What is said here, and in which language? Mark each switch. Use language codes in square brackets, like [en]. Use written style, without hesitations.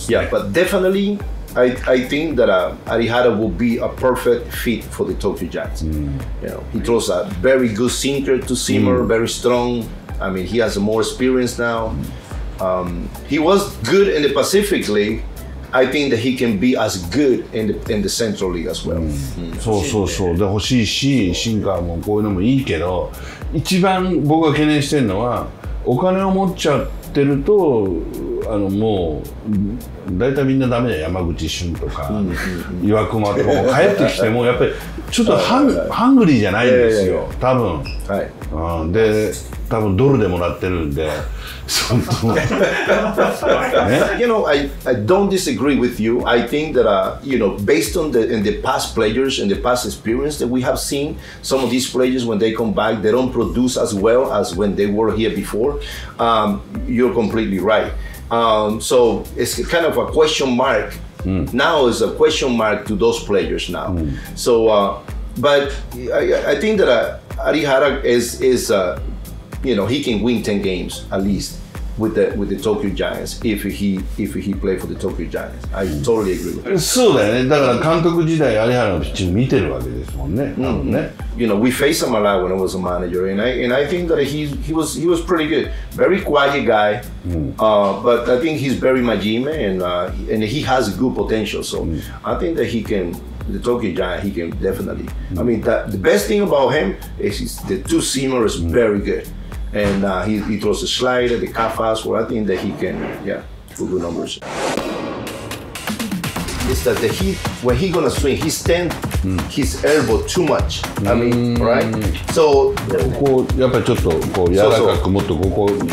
[en] yeah, but definitely I think that Arihara will be a perfect fit for the Tokyo Giants. You know, he throws a very good sinker to seamer, very strong. I mean, he has more experience now. He was good in the Pacific League. I think that he can be as good in the Central League as well. [ja] そうそうそう。で、欲しいし、シンカーもこういうのもいいけど、一番僕が懸念してるのは、お金を持っちゃってると、もう、大体みんなダメだよ。山口俊とか、岩隈とかも帰ってきても、やっぱりちょっとハングリーじゃないんですよ、多分。はい。で、多分ドルでもらってるんで。 [en] You know, I don't disagree with you. I think that, you know, based on the past players and the past experience that we have seen, some of these players, when they come back, they don't produce as well as when they were here before. You're completely right. So it's kind of a question mark. Now is a question mark to those players now. So, but I think that Arihara is you know, he can win 10 games at least with the Tokyo Giants if he play for the Tokyo Giants. I totally agree with that. [ja] そうだよね。だから監督時代、有原のピッチング見てるわけですもんね。 [en] You know, we faced him a lot when I was a manager, and I think that he was pretty good. Very quiet guy, but I think he's very majime, and he has good potential. So I think that he can, the Tokyo Giants, he can definitely. I mean, the best thing about him is the two-seamer is very good. And he throws a slider, the cut fastball. I think that he can, put good numbers. It's that the heat, when he's gonna swing, he stand his elbow too much. I mean, right? So, [ja] やっぱりちょっとこう柔らかくもっとここ。